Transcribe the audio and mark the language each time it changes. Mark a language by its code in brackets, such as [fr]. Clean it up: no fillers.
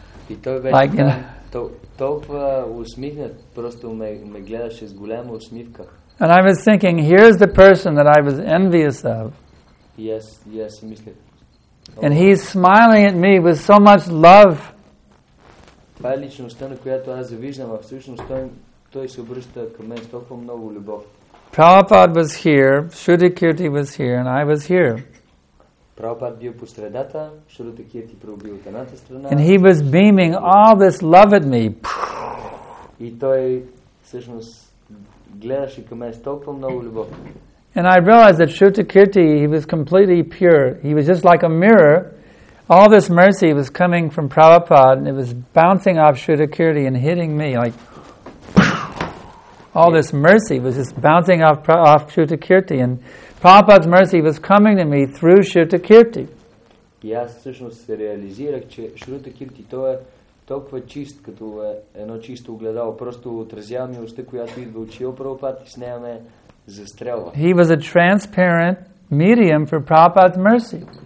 [bg] И той беше [en] like, you know, [bg] толкова усмихнат, просто ме гледаше с голяма усмивка. [en] And I was thinking, here's the person that I was envious of. Yes, [bg] мислех. [en] And he's smiling at me with so much love. [bg] Това е личността, на която аз завиждам, а всъщност той се обръща към мен с толкова много любов. [en] Prabhupada was here, Shruta Kirti was here, and I was here. [bg] Prabhupada бил по средата, Shruta Kirti пробил от едната страна. [en] And he was beaming all this love at me. [bg] И той всъщност гледаше към мен с толкова много любов. [en] And I realized that Shruta Kirti, he was completely pure. He was just like a mirror. All this mercy was coming from Prabhupada and it was bouncing off Shruta Kirti and hitting me like all this mercy was just bouncing off Shruta Kirti and Prabhupada's mercy was coming to me through Shruta Kirti. [bg] И аз всъщност се реализирах, че Shruta Kirti той е толкова чист, като едно чисто огледало, просто отразява милостта, която идва от Шрила Прабхупада и с нея ме застрелва. [en] He was a transparent medium for Prabhupada's mercy.